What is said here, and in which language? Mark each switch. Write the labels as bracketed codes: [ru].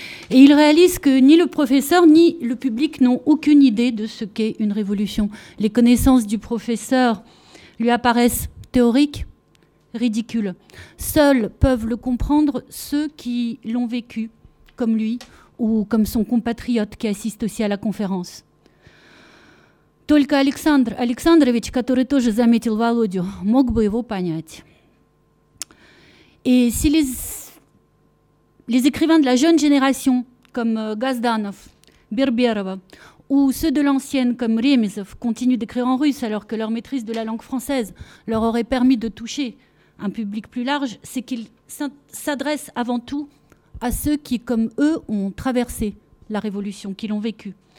[fr] Et il réalise que ni le professeur ni le public n'ont aucune idée de ce qu'est une révolution. Les connaissances du professeur lui apparaissent théoriques, ridicules. Seuls peuvent le comprendre ceux qui l'ont vécu, comme lui, ou comme son compatriote qui assiste aussi à la conférence. [ru] Только Александр Александрович, который тоже заметил Володю, мог бы его понять. [fr] Et si les écrivains de la jeune génération, comme Газданов, Берберова, ou ceux de l'ancienne, comme Ремезов, continuent d'écrire en russe alors que leur maîtrise de la langue française leur aurait permis de toucher un public plus large, c'est qu'ils s'adressent avant tout à ceux qui, comme eux, ont traversé la révolution, qui l'ont vécu.